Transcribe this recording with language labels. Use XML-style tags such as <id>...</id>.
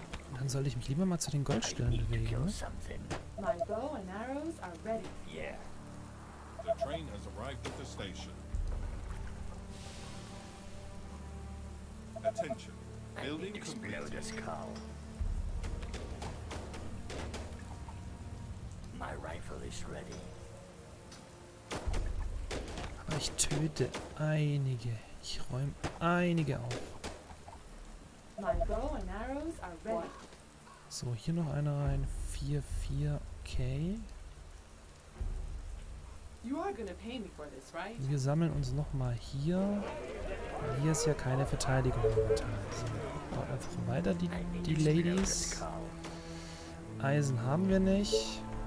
<de>Und dann soll ich mich lieber mal zu den Goldstellen bewegen.</de> <en>My bow and arrows are ready. Yeah. The train has arrived at the station. Attention. Building exploders call. My rifle is ready.</en> <de>Aber ich töte einige. Ich räume einige auf.</de> <en>My bow and arrows are ready.</en> <de>So, hier noch einer rein. 4-4, okay.</de> <en>You are gonna pay me for this, right?</en> <de>Wir sammeln uns nochmal hier. Hier ist ja keine Verteidigung momentan. Also, baut einfach weiter die Ladies. Eisen haben wir nicht.</de>